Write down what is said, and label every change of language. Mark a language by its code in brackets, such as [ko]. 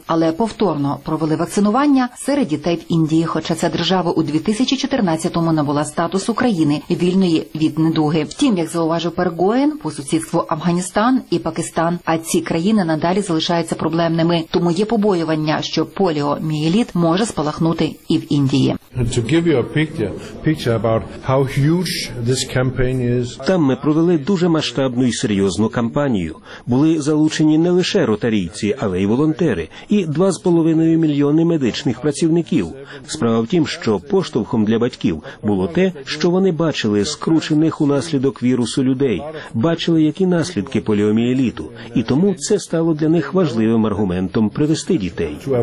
[uk] Але повторно провели вакцинування серед дітей в Індії, хоча ця держава у 2014-му набула статус України вільної від недуги. Втім, як зауважив Пер Гоєн, по сусідству Афганістан і Пакистан, а ці країни надалі залишаються проблемними, тому є побоювання, що поліоміеліт може спалахнути і в Індії. [en] To give you a picture about how huge this campaign. [uk] Там ми провели дуже масштабну і серйозну кампанію. Були залучені не лише ротарійці, але й волонтери, і 2,5 мільйони медичних працівників. Справа в тім, що поштовхом для батьків було те, що вони бачили скручених унаслідок вірусу людей, бачили, які наслідки поліоміеліту, і тому це стало для них важливим аргументом привести дітей.